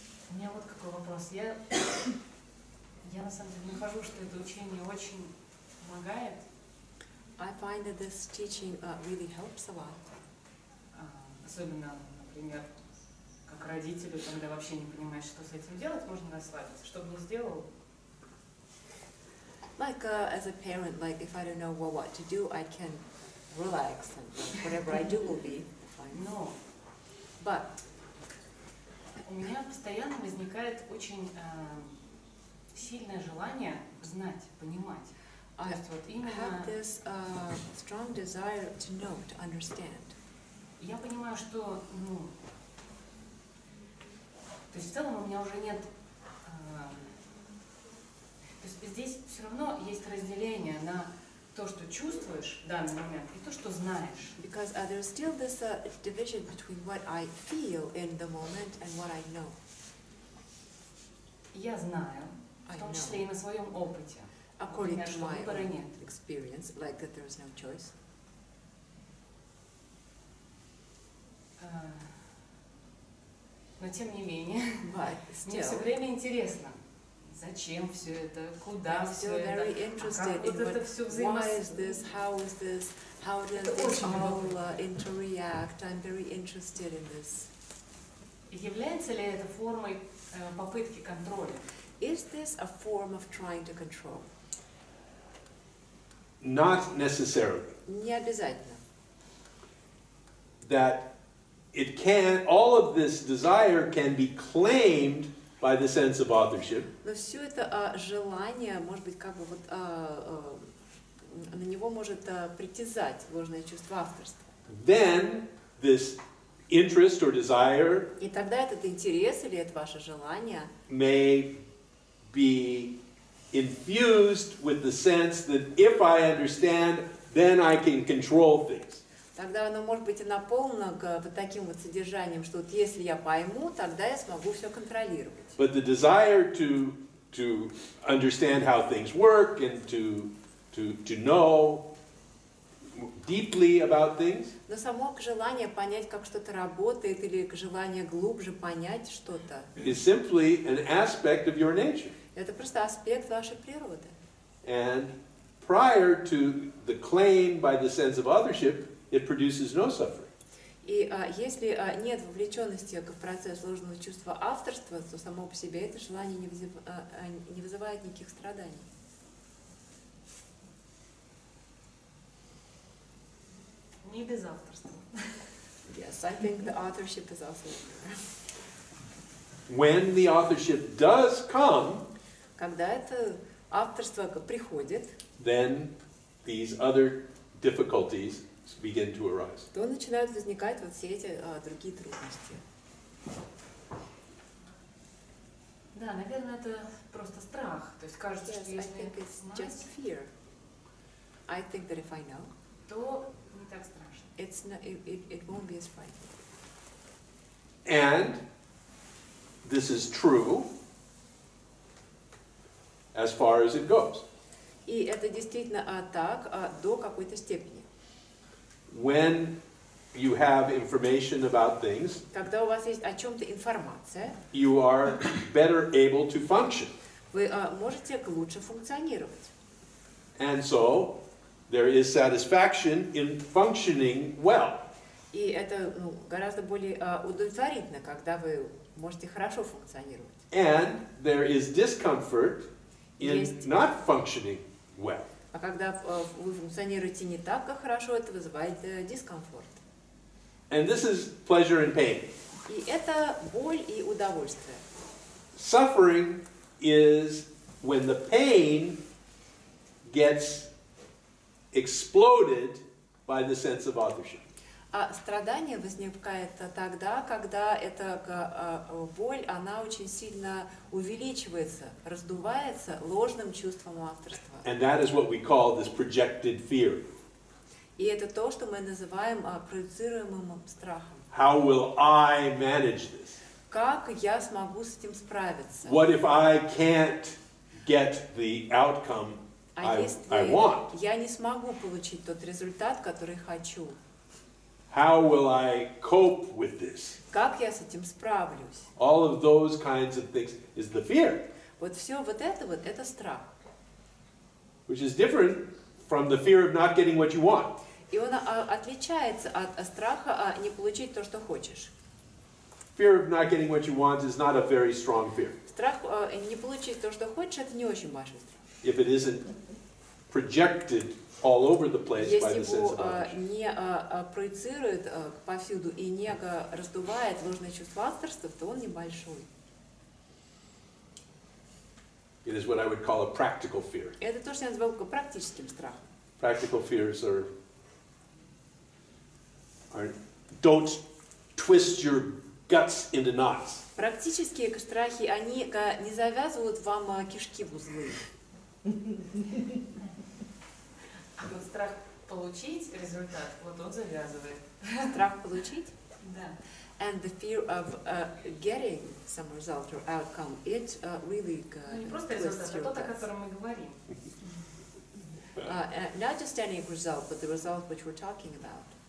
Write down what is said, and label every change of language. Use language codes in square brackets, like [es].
[ru] У меня вот какой вопрос. Я на самом деле нахожу, что это учение очень помогает. [en] I find that this teaching really helps a lot. [ru] Особенно, например, как родителю, когда вообще не понимаешь, что с этим делать, можно расслабиться. Что бы ни сделал. [en] Like as a parent, like if I don't know what to do, I can relax and whatever I do will be fine. No. But [ru] у меня постоянно возникает очень сильное желание знать, понимать. То есть вот именно. [en] I have this strong desire to know, to understand. [ru] Я понимаю, что, ну, то есть в целом у меня уже нет. То есть здесь все равно есть разделение на то, что чувствуешь в данный момент, и то, что знаешь. [en] Because there's still this division between what I feel in the moment and what I know. [ru] Я знаю, в том числе и на своем опыте. [en] According to my own experience, like that there is no choice. [ru] Но тем не менее, [en] but still, [ru] мне все время интересно. Зачем все это? Куда все это? [en] Very interested [ru] а как вот [en] in [ru] это все взаимодействует? [en] Why is this? How is this? How does this all interact? I'm very interested in this. [ru] Является ли это формой попытки контроля? [en] Is this a form of trying to control? Not necessarily. [ru] Не обязательно. [en] That it can, all of this desire can be claimed by the sense of authorship. [ru] Но все это желание, может быть, как бы вот на него может притязать ложное чувство авторства. [en] Then this interest or desire. [ru] И тогда этот интерес или это ваше желание [en] may be infused with the sense that if I understand, then I can control things. [ru] тогда оно может быть и наполнено вот таким вот содержанием, что вот если я пойму, тогда я смогу все контролировать. [en] But the desire to understand how things work and to know deeply about things. [ru] Но само желание понять, как что-то работает, или желание глубже понять что-то. [en] Is simply an aspect of your nature. [ru] Это просто аспект вашей природы. [en] And prior to the claim by the sense of othership, it produces no suffering. [ru] И если нет вовлеченности к процессу сложного чувства авторства, то само по себе это желание не вызывает никаких страданий. Не без авторства. [en] Yes, I think the authorship is also there. When the authorship does come, [ru] когда это авторство приходит, [en] then these other difficulties begin to arise. [ru] То начинают возникать вот все эти другие трудности. Да, наверное, это просто страх. То есть кажется, что если я знаю, [en] just fear. I think that if I know, [ru] то не так страшно. [en] It's not, it won't be as frightening. And this is true as far as it goes. [ru] И это действительно так до какой-то степени. [en] When you have information about things, [ru] когда у вас есть о чем-то информация, [en] you are better able to function. [ru] Вы можете лучше функционировать. [en] And so there is satisfaction in functioning well. [ru] И это гораздо более удовлетворительно, когда вы можете хорошо функционировать. [en] And there is discomfort in not functioning well. [ru] А когда вы функционируете не так, как хорошо, это вызывает дискомфорт. [en] And this is pleasure and pain. [ru] И это боль и удовольствие. [en] Suffering is when the pain gets exploded by the sense of authorship. [ru] А страдание возникает тогда, когда эта боль, она очень сильно увеличивается, раздувается ложным чувством авторства. [en] And that is what we call this projected fear. [ru] И это то, что мы называем проецируемым страхом. [en] How will I manage this? [ru] Как я смогу с этим справиться? [en] What if I can't get the outcome I want? [ru] Я не смогу получить тот результат, который хочу. [en] How will I cope with this? [ru] Как я с этим справлюсь? [en] All of those kinds of things is the fear. [ru] Вот все вот, это страх. [en] Which is different from the fear of not getting what you want. [ru] И он отличается от страха не получить то, что хочешь. [en] Fear of not getting what you want is not a very strong fear. [ru] Страх не получить то, что хочешь, это не очень большой страх. [en] If it isn't projected all over the place [ru] если [en] by the sense of [ru] Если его не проецирует повсюду и не раздувает ложное чувство авторства, то он небольшой. [en] It is what I would call a practical fear. [ru] Это то, что я называю практическим страхом. [en] Practical fears are don't twist your guts into knots. [ru] Практические страхи, они не завязывают вам кишки в узлы. Вот страх получить результат, вот он завязывает. Страх получить? Да. [en] And the fear of getting some result or outcome, it really twists your guts. [ru] Не просто результат, а тот, о котором мы говорим. [en] Not just any result, but the result which we're talking about.